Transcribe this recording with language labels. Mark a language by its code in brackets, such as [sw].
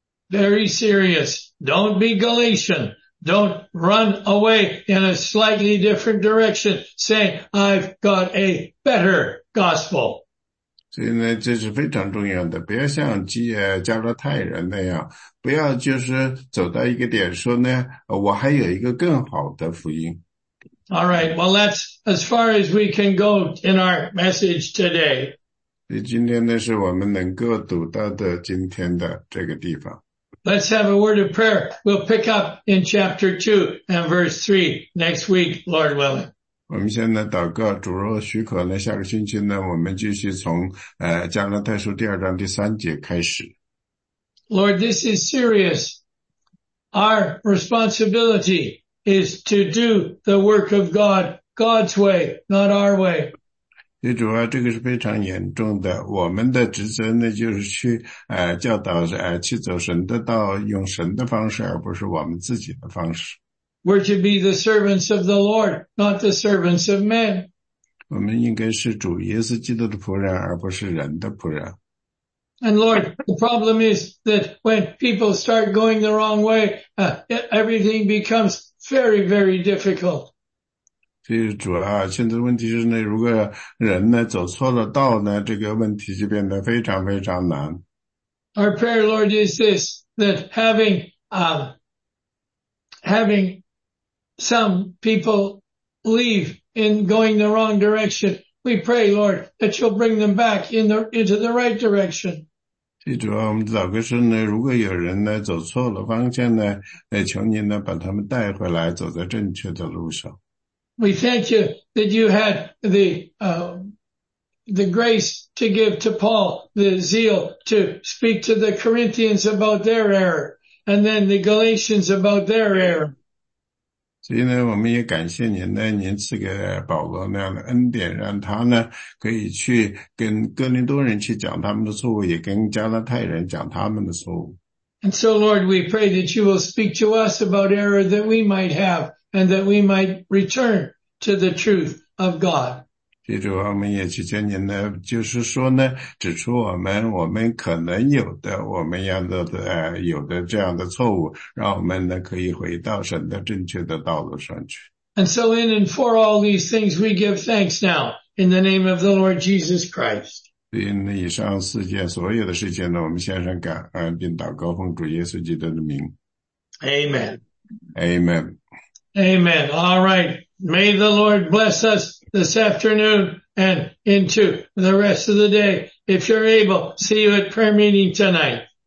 [en] Very serious. Don't be Galatian. Don't run away in a slightly different direction, saying, I've got a better gospel. [zh] 所以呢，这是非常重要的。不要像加拉太人那样，不要就是走到一个点说呢，我还有一个更好的福音。 [en] All right. Well, that's as far as we can go in our message today. [zh] 所以今天呢，是我们能够读到的今天的这个地方。 [en] Let's have a word of prayer. We'll pick up in chapter 2 and verse 3 next week, Lord willing. [zh] 我们现在祷告，主若许可呢，下个星期呢，我们继续从加拉太书第二章第三节开始。 [en] Lord, this is serious. Our responsibility is to do the work of God, God's way, not our way. [zh] 所以主啊，这个是非常严重的。我们的职责呢，就是去教导去走神的道，用神的方式，而不是我们自己的方式。 [en] We're to be the servants of the Lord, not the servants of men. [zh] 我们应该是主耶稣基督的仆人，而不是人的仆人。 [en] And Lord, the problem is that when people start going the wrong way, everything becomes very, very difficult. [zh] 所以主啊，现在问题是呢，如果人呢走错了道呢，这个问题就变得非常非常难。 [en] Our prayer, Lord, is this, that having some people leave in going the wrong direction, we pray, Lord, that you'll bring them back into the right direction. [zh] 所以主啊，我们祷告说呢，如果有人呢走错了方向呢，求您呢把他们带回来，走在正确的路上。 [en] We thank you that you had the grace to give to Paul, the zeal to speak to the Corinthians about their error, and then the Galatians about their error. [zh] 所以呢，我们也感谢您呢，您赐给保罗那样的恩典，让他呢可以去跟哥林多人去讲他们的错误，也跟加拉太人讲他们的错误。 [en] And so, Lord, we pray that you will speak to us about error that we might have. And that we might return to the truth of God. [zh] 记住我们也去见您呢，就是说呢，指出我们可能有的，我们要的有的这样的错误，让我们呢可以回到神的正确的道路上去。 [en] And so in and for all these things we give thanks now in the name of the Lord Jesus Christ. [zh] 以上四件所有的事情呢，我们献上感恩并祷告，奉主耶稣基督的名。 [en] Amen. Amen. Amen. All right. May the Lord bless us this afternoon and into the rest of the day. If you're able, see you at prayer meeting tonight.